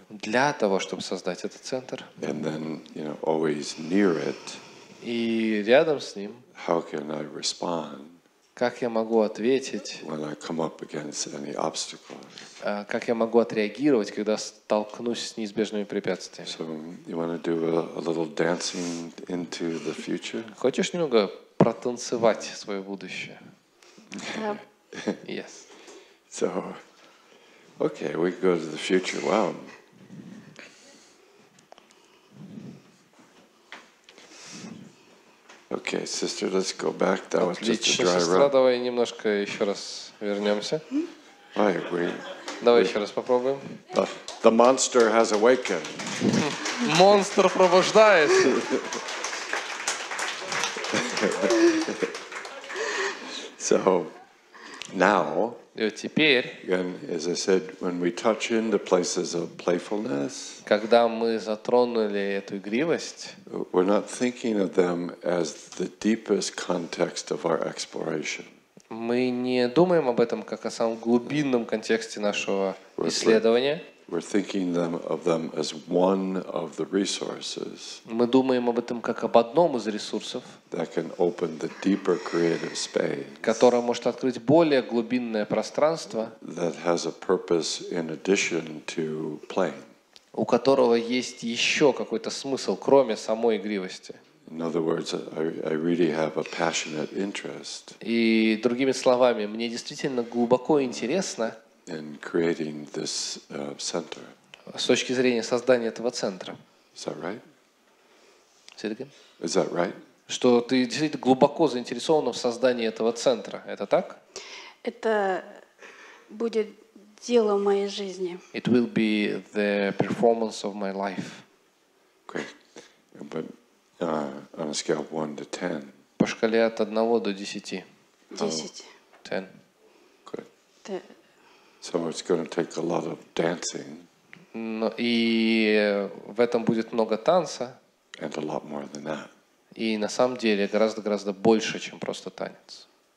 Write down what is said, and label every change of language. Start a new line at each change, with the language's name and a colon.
Russian: Для того, чтобы создать этот центр.
English: And then, you know, always near it.
Russian: И рядом с ним.
English: How can I respond?
Russian: Как я могу ответить?
English: When I come up against any obstacles?
Russian: Как я могу отреагировать, когда столкнусь с неизбежными препятствиями?
English: So you want to do a little dancing into the future?
Russian: Хочешь немного протанцевать свое будущее?
English: Yes. So, okay, we go to the future. Wow. Okay, sister, let's go back. That was just a dry run.
Russian: Отлично, сестра, давай немножко еще раз вернемся.
English: I agree.
Russian: Давай еще раз попробуем.
English: The monster has awakened.
Russian: Монстр пробуждается.
English: So, now.
Russian: И вот теперь.
English: And as I said, when we touch into places of playfulness.
Russian: Когда мы затронули эту игривость.
English: We're not thinking of them as the deepest context of our exploration.
Russian: Мы не думаем об этом как о самом глубинном контексте нашего исследования.
English: We're thinking of them as one of the resources.
Russian: Мы думаем об этом как об одном из ресурсов.
English: That can open the deeper creative space.
Russian: Которое может открыть более глубинное пространство.
English: That has a purpose in addition to playing.
Russian: У которого есть еще какой-то смысл, кроме самой игривости.
English: In other words, I really have a passionate interest.
Russian: И другими словами, мне действительно глубоко интересно.
English: In creating this center.
Russian: С точки зрения создания этого центра.
English: Is that right? Say it again. Is that right?
Russian: Что ты действительно глубоко заинтересован в создании этого центра? Это так? Это будет дело моей жизни.
English: It will be the performance of my life. Okay. But on a scale of 1 to 10.
Russian: По шкале от 1 до 10. 10. 10.
English: So it's going to take a lot of dancing.
Russian: Но и в этом будет много танца.
English: And a lot more than that.
Russian: И на самом деле гораздо больше, чем просто танец.